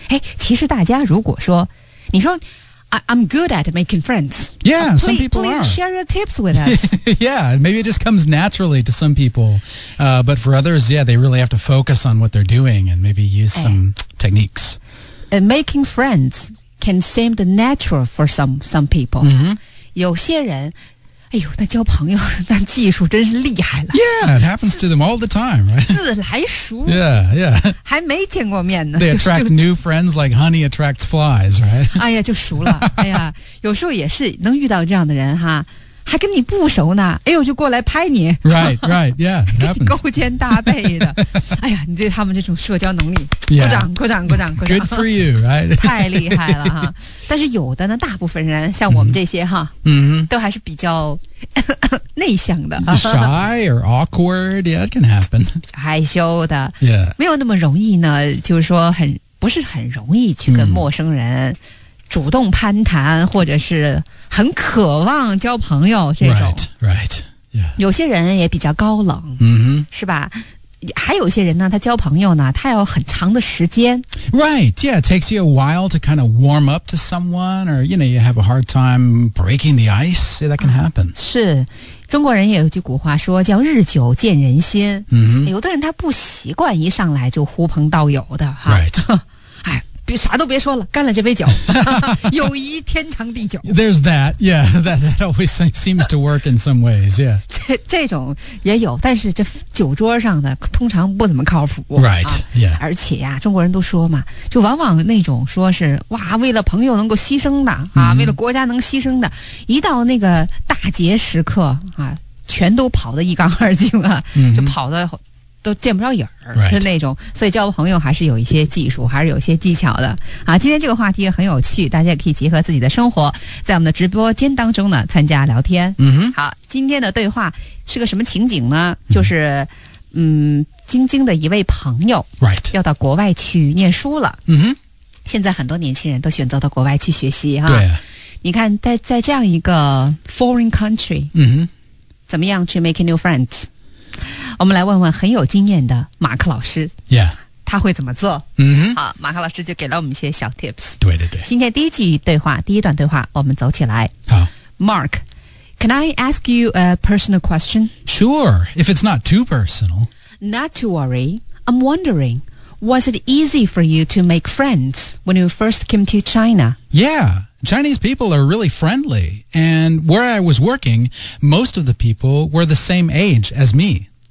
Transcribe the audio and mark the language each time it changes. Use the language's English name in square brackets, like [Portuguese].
[Chinese] 哎，其实大家如果说，你说 [English] I'm good at making friends. Yeah, please, some people please are. Please share your tips with us. Yeah, maybe it just comes naturally to some people. But for others, yeah, they really have to focus on what they're doing and maybe use some techniques. Making friends can seem the natural for some people. Mm-hmm. [Chinese] 有些人，哎呦，那交朋友那技术真是厉害了。 [English] Yeah, it happens to them all the time, right? [Chinese] 自来熟。 [English] Yeah, yeah. [Chinese] 还没见过面呢。 [English] They attract new friends like honey attracts flies, right? [Chinese] 哎呀，就熟了。哎呀，有时候也是能遇到这样的人哈。还跟你不熟呢，哎呦，就过来拍你。 [English] Right, right, yeah. [Chinese] 勾肩搭背的，哎呀，你对他们这种社交能力，鼓掌，鼓掌，鼓掌，鼓掌。 [English] Good for you, right? [Chinese] 太厉害了哈！但是有的呢，大部分人像我们这些哈，都还是比较内向的。 [English] Shy or awkward, yeah, it can happen. [Chinese] 害羞的， [English] yeah. [Chinese] 没有那么容易呢，就是说很不是很容易去跟陌生人。主动攀谈或者是很渴望交朋友这种 [English] right, yeah. [Chinese] 有些人也比较高冷、 mm-hmm. 是吧还有些人呢他交朋友呢他要很长的时间 [English] Right, yeah, it takes you a while to kind of warm up to someone or you know, you have a hard time breaking the ice, yeah, that can happen [Chinese] 是中国人也有句古话说叫日久见人心、 mm-hmm. 有的人他不习惯一上来就呼朋道友的 [English] Right [Chinese] 别啥都别说了干了这杯酒友谊天长地久 [English] There's that, yeah, that always seems to work in some ways, yeah [Chinese] 这种也有但是这酒桌上的通常不怎么靠谱 [English] Right,、啊、 yeah [Chinese] 而且呀、啊、中国人都说嘛就往往那种说是哇为了朋友能够牺牲的啊、mm-hmm. 为了国家能牺牲的一到那个大节时刻啊全都跑得一干二净啊、 mm-hmm. 就跑得都见不着影儿、 [English] right. [Chinese] 是那种所以交朋友还是有一些技术还是有一些技巧的啊，今天这个话题也很有趣大家也可以结合自己的生活在我们的直播间当中呢参加聊天嗯好今天的对话是个什么情景呢就是晶晶的一位朋友 [English] right [Chinese] 要到国外去念书了嗯、mm-hmm. 现在很多年轻人都选择到国外去学习哈、啊、你看在这样一个 [English] foreign country 嗯、mm-hmm. [Chinese] 怎么样去 [English] make new friends [Chinese] 我们来问问很有经验的马克老师 [English] Yeah [Chinese] 他会怎么做、 mm-hmm. 好马克老师就给了我们一些小 tips 对对对今天第一句对话第一段对话我们走起来好 [English] Mark Can I ask you a personal question? Sure If it's not too personal Not to worry I'm wondering Was it easy for you to make friends When you first came to China? Yeah Chinese people are really friendly And where I was working Most of the people were the same age as me